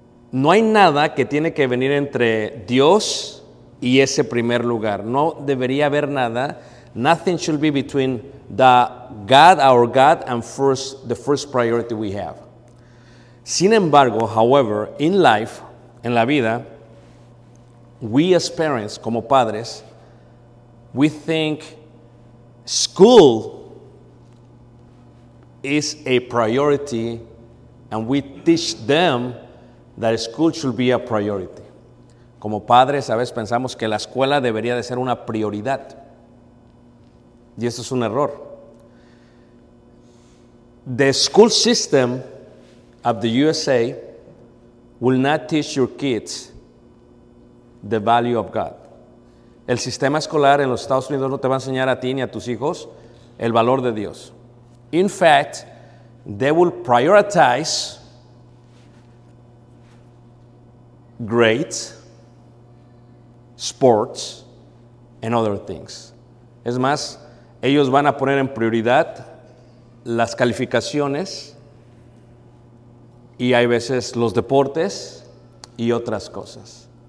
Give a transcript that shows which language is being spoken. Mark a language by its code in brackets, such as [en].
[es] No hay nada que tiene que venir entre Dios y ese primer lugar. No debería haber nada. [en] Nothing should be between the God, our God, and first, the first priority we have. [es] Sin embargo, [en] however, in life, [es] en la vida, [en] we as parents, [es] como padres, [en] we think school is a priority, and we teach them that school should be a priority. [es] Como padres, a veces pensamos que la escuela debería de ser una prioridad. Y eso es un error. [en] The school system of the USA will not teach your kids the value of God. [es] El sistema escolar en los Estados Unidos no te va a enseñar a ti ni a tus hijos el valor de Dios. [en] In fact, they will prioritize grades, sports, and other things. [es] Es más, ellos van a poner en prioridad las calificaciones y hay veces los deportes y otras cosas.